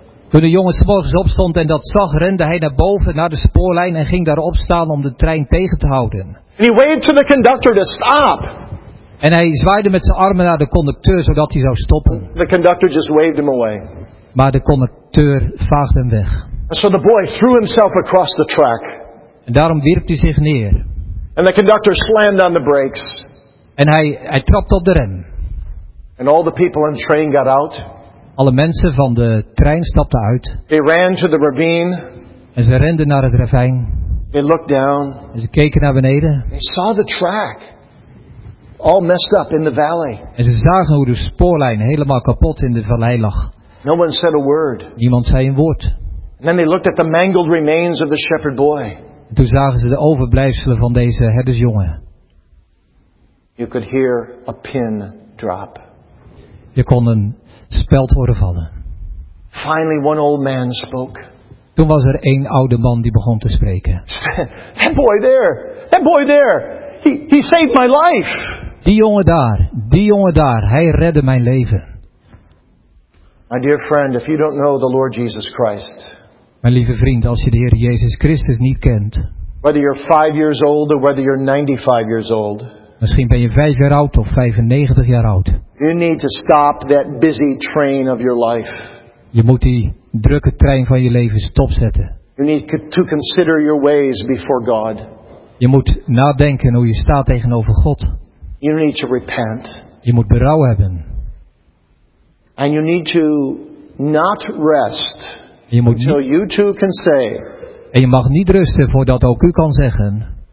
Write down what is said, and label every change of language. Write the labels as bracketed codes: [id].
[nl] Toen de jongen 's morgens opstond en dat zag, rende hij naar boven naar de spoorlijn en ging daarop staan om de trein tegen te houden. [en] And he waved to the conductor to stop. [nl] En hij zwaaide met zijn armen naar de conducteur zodat hij zou stoppen. [en] The conductor just waved him away. [nl] Maar de conducteur vaagde hem weg. [en] And so the boy threw himself across the track. [nl] En daarom wierp hij zich neer. [en] And the conductor slammed on the brakes. [nl] En hij trapte op de rem. [en] And all the people in the train got out. [nl] Alle mensen van de trein stapten uit. [en] They ran to the ravine. [nl] En ze renden naar het ravijn. [en] They looked down. [nl] En ze keken naar beneden. [en] They saw the track. All messed up in the valley. [nl] En ze zagen hoe de spoorlijn helemaal kapot in de vallei lag. [en] No one said a word. [nl] Niemand zei een woord. [en] And then they looked at the mangled remains of the shepherd boy. [nl] toen zagen ze de overblijfselen van deze herdersjongen. [en] You could hear a pin drop. [nl] Je kon een speld horen vallen. [en] Finally, one old man spoke. [nl] Toen was er één oude man die begon te spreken. [en] That boy there. He saved my life. [nl] Die jongen daar, hij redde mijn leven. [en] My dear friend, if you don't know the Lord Jesus Christ. [nl] Mijn lieve vriend, als je de Heer Jezus Christus niet kent. [en] Whether you're 5 years old or whether you're 95 years old. [nl] Misschien ben je 5 jaar oud of 95 jaar oud. [en] You need to stop that busy train of your life. [nl] Je moet die drukke trein van je leven stopzetten. [en] You need to consider your ways before God. [nl] Je moet nadenken hoe je staat tegenover God. [en] You need to repent. [nl] Je moet berouw hebben. [en] And you need to not rest. [nl] Je moet niet, [en] until you too can say. [nl] En je mag niet rusten voordat ook u kan zeggen.